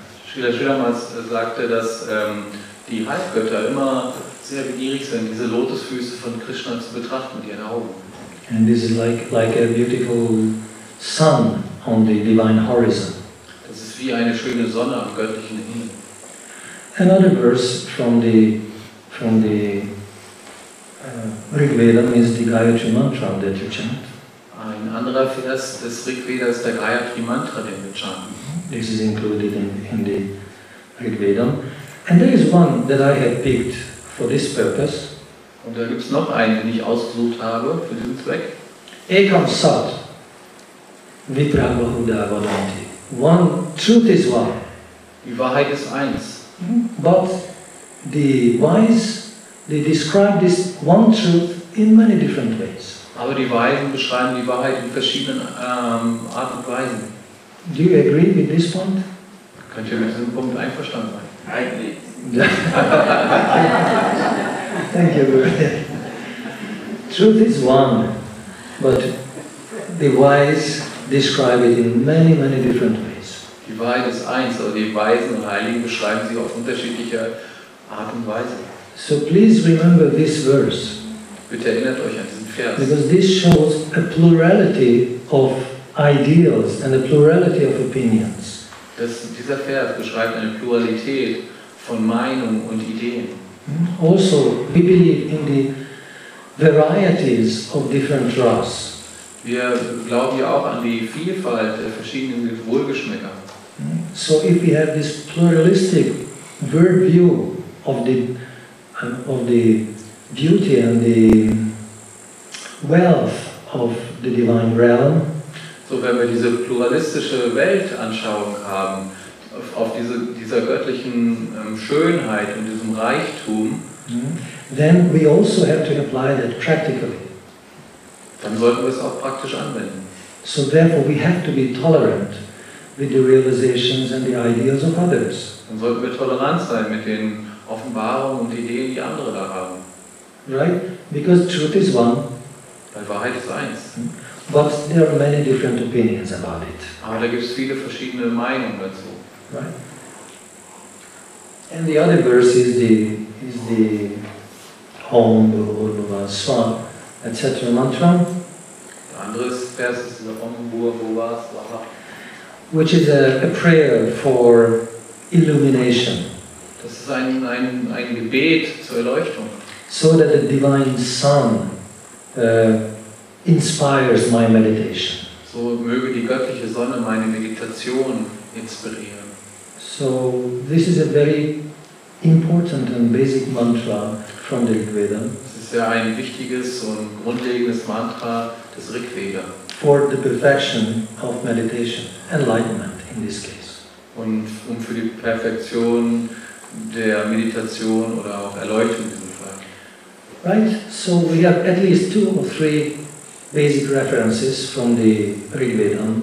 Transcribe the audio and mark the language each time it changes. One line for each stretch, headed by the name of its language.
German: Shrila Shriramas sagte, dass die Halbgötter immer sehr begierig sind, diese Lotusfüße von Krishna zu betrachten mit ihren Augen.
English: And this is like a beautiful sun on the divine horizon.
German: Das ist wie eine schöne Sonne am göttlichen Himmel.
English: Another verse from the Rig Veda is the Gayatri Mantra that you chant.
German: Ein anderer Vers des Rig Veda ist der Gayatri Mantra, den wir chanten.
English: This is included in the Rig Veda. And there is one that I have picked for this purpose.
German: Und da gibt es noch einen, den ich ausgesucht habe für diesen Zweck.
Sanskrit: Ekam Sat Vipra Bahuda Vadanti.
English: One truth is one.
German: Die Wahrheit ist eins.
English: But the wise, they describe this one truth in many different ways.
German: Aber die Weisen beschreiben die Wahrheit in verschiedenen Arten und Weisen.
English: Do you agree with this point?
German: Könnt ihr mit diesem Punkt einverstanden sein?
English: Thank you, Guru. Truth is one, but the wise describe it in many, many different ways.
German: Die Wahrheit ist eins, aber die Weisen und Heiligen beschreiben sie auf unterschiedliche Art und Weise.
English: So please remember this verse.
German: Bitte erinnert euch an diesen Vers.
English: Because this shows a plurality of ideals and a plurality of opinions.
German: Dieser Vers beschreibt eine Pluralität von Meinungen und Ideen.
English: Also, we believe in the varieties of different ras.
German: Wir glauben ja auch an die Vielfalt der verschiedenen Wohlgeschmäcker.
English: So if we have this pluralistic worldview of the beauty and the wealth of the divine realm.
German: So wenn wir diese pluralistische Weltanschauung haben, auf dieser göttlichen Schönheit und diesem Reichtum,
English: then we also have to apply that practically.
German: Dann sollten wir es auch praktisch anwenden.
English: So therefore we have to be tolerant with the realizations and the ideas of others.
German: Dann sollten wir tolerant sein mit den Offenbarungen und Ideen, die andere da haben.
English: Right? Because truth is one.
German: Weil Wahrheit ist eins.
English: But there are many different opinions about it.
German: Aber da gibt es viele verschiedene Meinungen dazu.
English: Right. And the other verse is the Om Bhurva Sva, etc. mantra.
German: Der andere Vers ist der Om Bhurva Sva,
English: which is a prayer for illumination.
German: Das ist ein Gebet zur Erleuchtung.
English: So that the divine sun inspires my meditation.
German: So möge die göttliche Sonne meine Meditation inspirieren.
English: So this is a very important and basic mantra from the Rigveda.
German: Es ist ja ein wichtiges und grundlegendes Mantra des Rigveda.
English: For the perfection of meditation, enlightenment in this case.
German: Und für die Perfektion der Meditation oder auch Erleuchtung in diesem Fall.
English: Right? So we have at least two or three basic references from the Rigveda.